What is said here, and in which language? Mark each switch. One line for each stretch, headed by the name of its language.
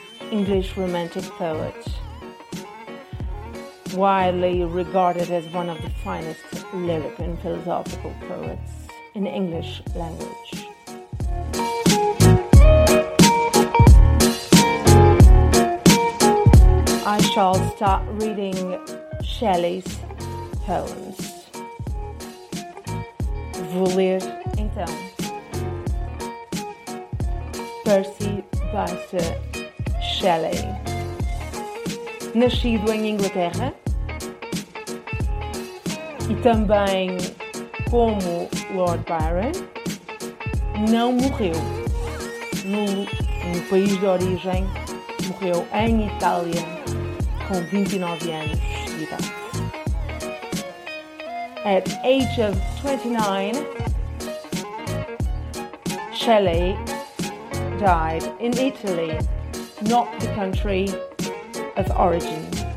English: English romantic poet, widely regarded as one of the finest lyric and philosophical poets in English language. I shall start reading Shelley's poems.
Portuguese: Vou ler, então, Percy Bysshe Shelley, nascido em Inglaterra e também como Lord Byron, não morreu no país de origem, morreu em Itália com 29 anos de idade.
English: At age of 29, Shelley died in Italy, not the country of origin.